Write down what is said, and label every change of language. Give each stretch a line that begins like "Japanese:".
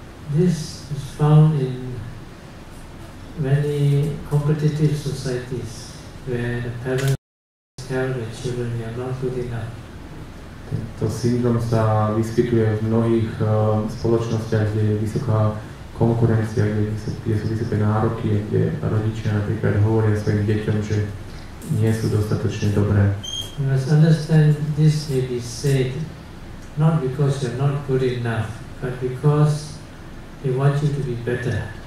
English: This is found in many competitive societies where the parents tell the children they are not good enough.
Slovak: Tento syndrom sa vyskytuje v mnohých spoločnostiach, kde je vysoká konkurencia, kde sú vysoké nároky, kde rodičia napríklad hovoria svojim deťom, že nie sú dostatočne dobré.
English: You must understand this may be said not because you're not good enough, but because they want you to be better.